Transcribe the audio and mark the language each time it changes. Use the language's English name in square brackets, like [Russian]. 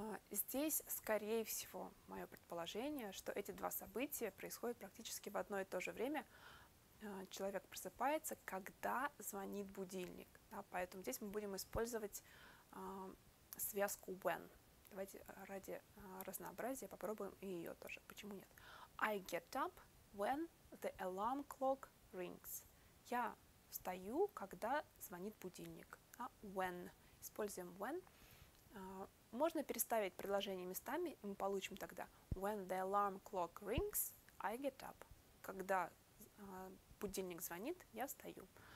[Russian] Здесь, скорее всего, мое предположение, что эти два события происходят практически в одно и то же время. Человек просыпается, когда звонит будильник. Да, поэтому здесь мы будем использовать связку when. Давайте ради разнообразия попробуем и ее тоже. Почему нет? [English] I get up when the alarm clock rings. [Russian] Я встаю, когда звонит будильник. Да, when. Используем when. Можно переставить предложение местами, и мы получим тогда [English] when the alarm clock rings, I get up. [Russian] Когда будильник звонит, я встаю.